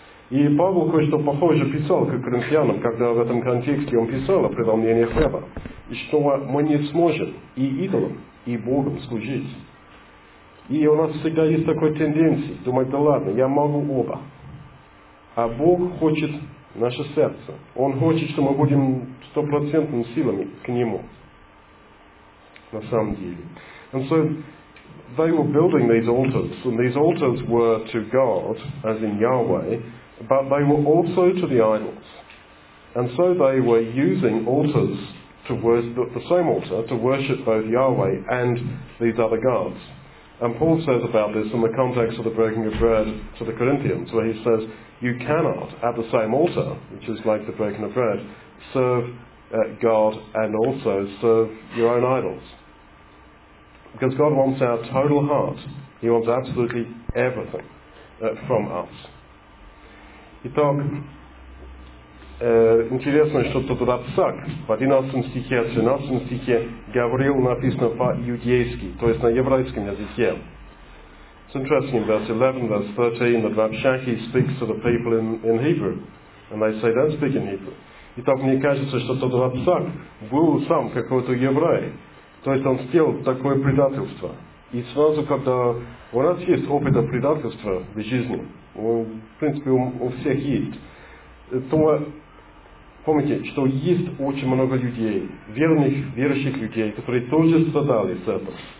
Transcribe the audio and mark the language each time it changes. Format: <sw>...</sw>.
<ru>И Павел кое-что похоже писал к коринфянам, когда в этом контексте он писал о преломлении хлеба, и что мы не сможем и идолам, и Богом служить. И у нас всегда есть такой тенденции, думать, да ладно, я могу оба. А Бог хочет наше сердце. Он хочет, чтобы мы будем 100% силами к Нему. На самом деле.</ru> <en>And so they were building these altars, and these altars were to God, as in Yahweh, but they were also to the idols. And so they were using altars to worship the same altar to worship both Yahweh and these other gods. And Paul says about this in the context of the breaking of bread to the Corinthians, where he says, you cannot, at the same altar, which is like the breaking of bread, serve God and also serve your own idols. Because God wants our total heart. He wants absolutely everything from us.</en> <ru>Итак, интересно, что тут Рацак в 11 стихе, 13 стихе говорил, написано по-иудейски, то есть на еврейском языке.</ru> <en>It's interesting, verse 11, verse 13, that Rabshakeh speaks to the people in Hebrew. And they say, don't speak in Hebrew.</en> <ru>Итак, мне кажется, что тот Рацак был сам какой-то еврей. То есть он сделал такое предательство. И сразу, когда у нас есть опыт предательства в жизни, в принципе, у всех есть, то помните, что есть очень много людей, верных, верующих людей, которые тоже страдали с этого.</ru>